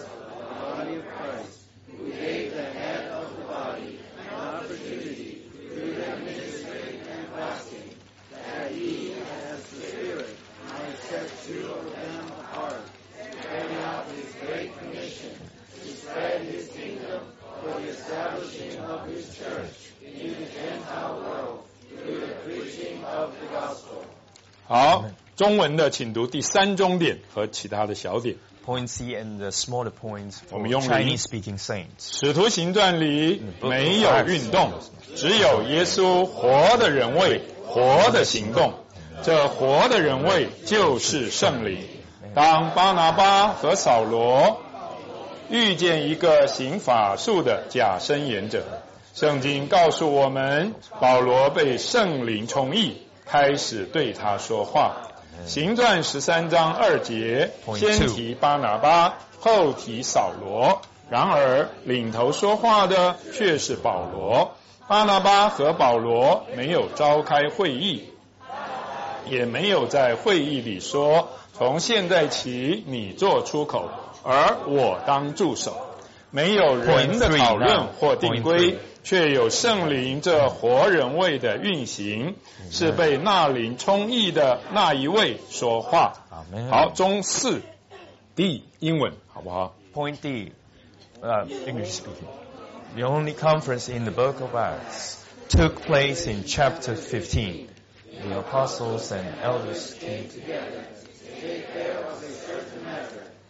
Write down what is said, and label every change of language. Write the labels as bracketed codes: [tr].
[en] of the body of Christ who gave the head of the body an opportunity through their ministry and fasting that he has the Spirit might set two of them apart to carry out his great commission to spread his kingdom for the establishing of his church in the Gentile world through the preaching of the gospel. [zh] 好，中文的请读第三中点和其他的小点。 [en] Point C and the smaller points for Chinese speaking saints. [zh] 使徒行传里没有运动，只有耶稣活的人位，活的行动。这活的人位就是圣灵。当巴拿巴和扫罗遇见一个行法术的假伸言者，圣经告诉我们，保罗被圣灵充溢，开始对他说话。行传十三章二节，先提巴拿巴，后提扫罗。然而领头说话的却是保罗。巴拿巴和保罗没有召开会议，也没有在会议里说，从现在起你做出口，而我当助手。没有人的讨论或定规，却有圣灵这活人位的运行，是被那灵充溢的那一位说话。好，中四 D 英文好不好？ [en] Point D English speaking. The only conference in the book of Acts took place in chapter 15. The apostles and elders came together to take care of a certain matter.